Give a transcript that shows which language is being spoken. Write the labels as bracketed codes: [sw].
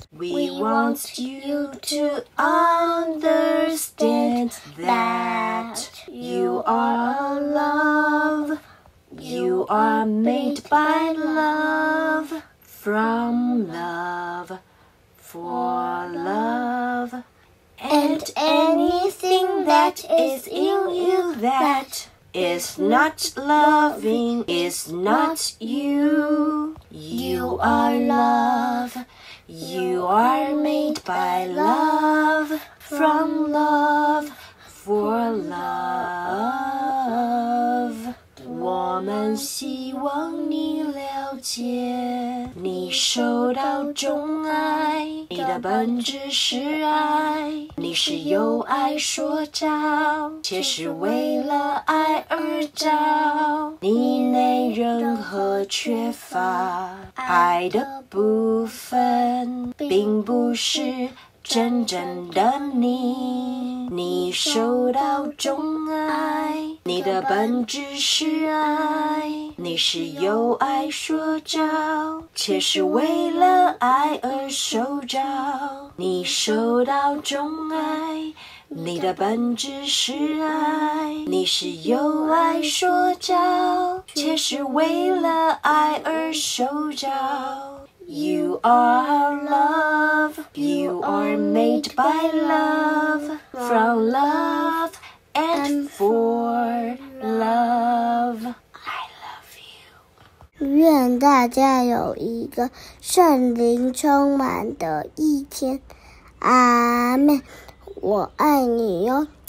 [en] We want you to understand that you are love You are made by love From loveFor love and anything that is in you that is not loving is not you. You are love You are made by love, from love, for love. [zh] 我们希望你了解，你受到钟爱，你的本质是爱，你是由爱所造，却是为了爱而造。你没任何缺乏，爱的部分并不是真正的你。你受到钟爱，你的本质是爱，你是由爱所造，却是为了爱而受造。你受到钟爱，你的本质是爱，你是由爱所造，却是为了爱而受造。 [en] You are love, you are made by love, from love and for love. I love you. [zh] 愿大家有一个圣灵充满的一天。阿们，我爱你哟。